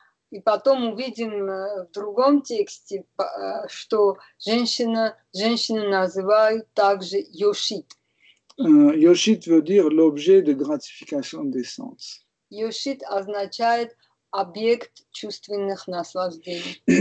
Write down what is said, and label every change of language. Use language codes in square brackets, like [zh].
[ru] И потом увидим в другом тексте, что женщину называют также Йошит. [fr] Йошит veut dire l'objet de gratification des sens. [ru] Йошит означает объект чувственных наслаждений.